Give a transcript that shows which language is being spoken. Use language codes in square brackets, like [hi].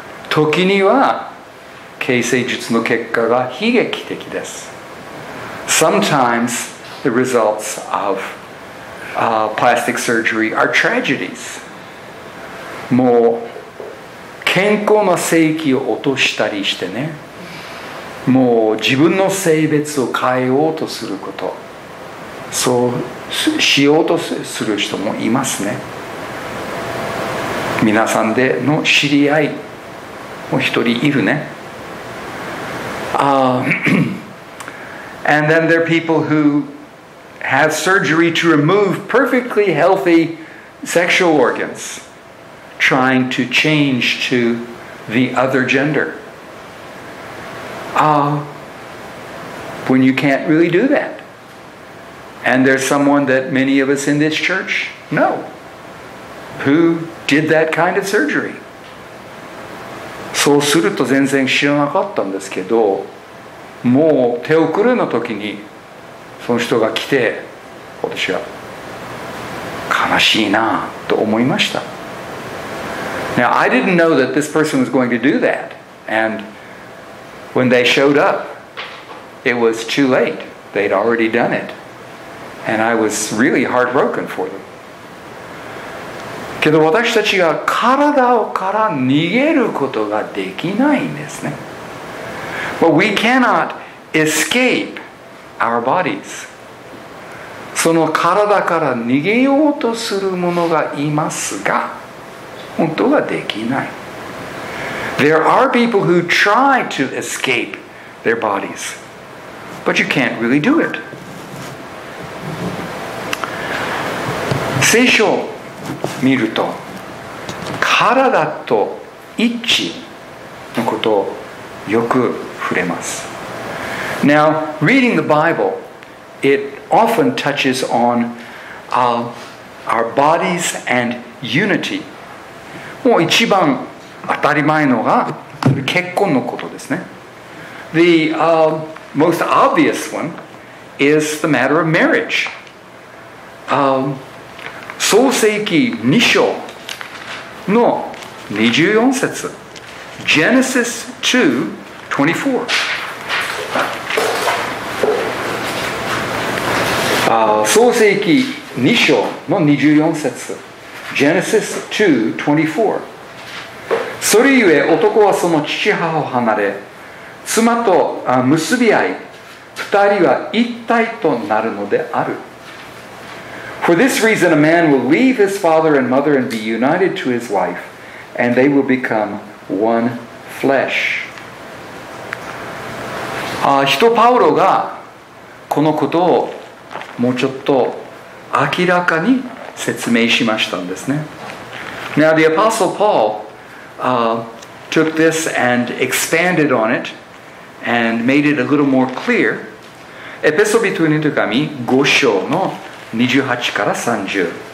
[ja] 時には形成術の結果が悲劇的です。 [en] Sometimes the results of plastic surgery are tragedies. [ja] もう健康な性器を落としたりしてね、もう自分の性別を変えようとすること、そうしようとする人もいますね。皆さんでの知り合いも一人いるね。 [en] And then there are people who have surgery to remove perfectly healthy sexual organs, trying to change to the other gender. When you can't really do that. And there's someone that many of us in this church know who did that kind of surgery. [ja] そうすると全然知らなかったんですけど、もう手遅れの時にその人が来て、私は悲しいなと思いました。 [en] Now, I didn't know that this person was going to do that. And when they showed up, it was too late. They'd already done it. And I was really heartbroken for them. [ja] けど私たちが体から逃げることができないんですね。 [en] But we cannot escape our bodies. [ja] その体から逃げようとするものがいますが、本当はできない。 [en] There are people who try to escape their bodies, but you can't really do it. [ja] 聖書を見ると、体と一致のことをよく触れます。 [en] Now, reading the Bible, it often touches on our bodies and unity. [ja] もう一番当たり前のが結婚のことですね。 [en] The most obvious one is the matter of marriage. [ja] 創世記2章の24節。 [en] Genesis 2:24. [ja] 創世記2章の24節 [en] Genesis 2:24 [ja] それゆえ男はその父母を離れ妻と結び合い二人は一体となるのである [en] For this reason a man will leave his father and mother and be united to his wife and they will become one flesh [ja] 人パウロがこのことをもうちょっと明らかに説明しましたんですね。 [en] Now the Apostle Paul took this and expanded on it and made it a little more clear. [ja] エペソビトニト紙5章の28から30。